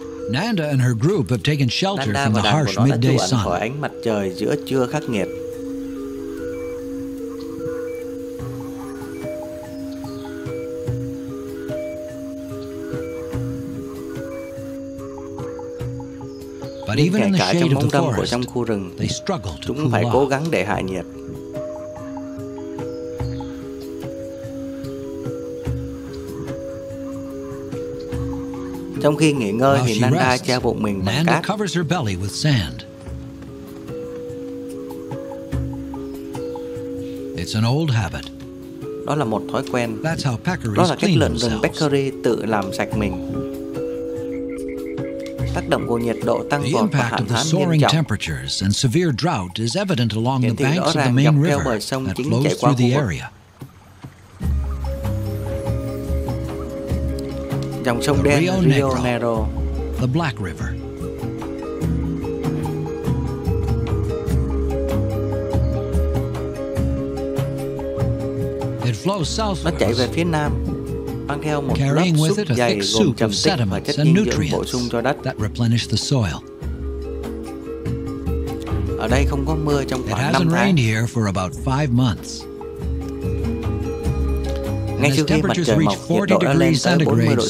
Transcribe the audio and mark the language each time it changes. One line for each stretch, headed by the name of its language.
English: Nanda and her group have taken shelter from the harsh midday sun.
Vietnamese: Khỏi ánh mặt trời giữa trưa khắc nghiệt.
English: But even in the shade of the forest,
Vietnamese: trong khu rừng,
English: they struggle to
Vietnamese: cũng phải cố gắng để hạ nhiệt. Trong khi nghỉ ngơi thì Nanda che bụng mình bằng cát.
English: Nanda covers her belly with sand. It's an old habit.
Vietnamese: Đó là một thói quen.
English: That's how peccaries clean themselves.
Vietnamese: Đó là cách lợn rừng peccary tự làm sạch mình. Tác động của nhiệt độ tăng vọt và hạn hán nghiêm trọng.
English: The soaring temperatures and severe drought is evident along the banks of the main river that flows through the area.
Vietnamese: Dòng sông đen Rio Negro,
English: the Black River. It flows southward.
Vietnamese: Nó chảy về phía nam, mang theo một
English: carrying
Vietnamese: lớp
English: with it a thick soup of sediments and nutrients that replenish the soil.
Vietnamese: Ở đây không có mưa trong khoảng 5 tháng.
English: It hasn't rained here for about 5 months.
Vietnamese: Ngay sau khi mặt trời mọc, nhiệt độ đã lên tới 40 độ C.